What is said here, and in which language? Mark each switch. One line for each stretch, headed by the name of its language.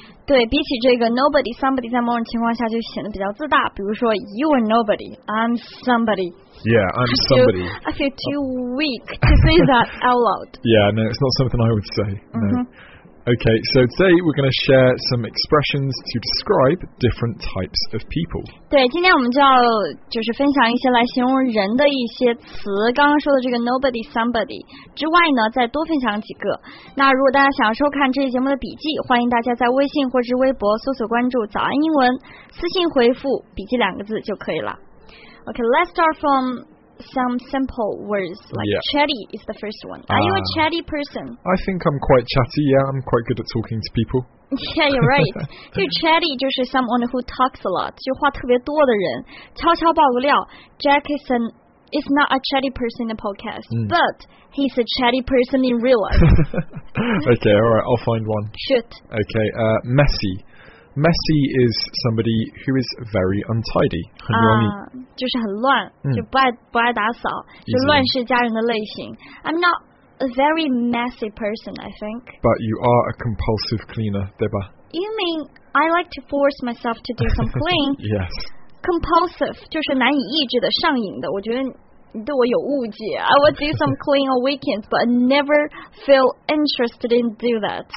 Chinese: 对，比起这个
English: nobody, somebody
Chinese: 在某种情况下就显得比较自大。比如说
English: you are nobody, I'm somebody. Yeah, I'm somebody. I feel too weak to say that out loud. Yeah, no, it's not something I would say. No. Okay, so today we're going to share some expressions to describe different types of people.
Chinese: 对，今天我们就要就是分享一些来形容人的一些词。刚刚说的这个
English: nobody, somebody
Chinese: 之外呢，再多分享几个。那如果大家想收看这期节目的笔记，欢迎大家在微信或是微博搜索关注“早安英文”，私信回复“笔记”两个字就可以了。
English: Okay, let's start from some simple words, like、 yeah. chatty is the first one. Are you a chatty person? I think I'm quite chatty, yeah, I'm quite good at talking to people. Yeah, you're right.
Chinese: 就
English: chatty
Chinese: 就是
English: someone who talks a lot,
Chinese: 就话特别多的人。悄悄爆个料
English: ,Jack is not a chatty person in the podcast,、but he's a chatty person in real life. Okay, alright, I'll find one. Shoot. Okay, messy. Messy is somebody who is very untidy.
Chinese: 很容易、就是很乱、就不爱打扫、就乱世佳人的类型。
English: I'm not a very messy person, I think. But you are a compulsive cleaner,
Chinese: 对吧?
English: You mean I like to force myself to do some clean? Yes.
Chinese: Compulsive, 就是难以抑制的、上瘾的。我觉得你对我有误解。
English: I would do some clean on weekends, but I never feel interested in do that.